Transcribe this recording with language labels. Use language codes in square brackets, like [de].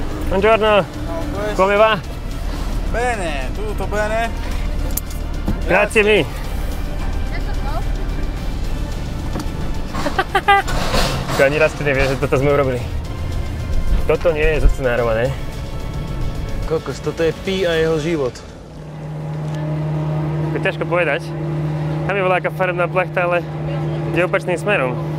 [it] Buongiorno. Come va? Bene, tutto bene. Grazie mi. [sk] Ani raz ty nevieš, že toto sme urobili. Toto nie je zocenárované. Kokos, toto je Pi a jeho život. To je ťažko povedať. Tam je veľká farebná plachta, ale ide opačným smerom.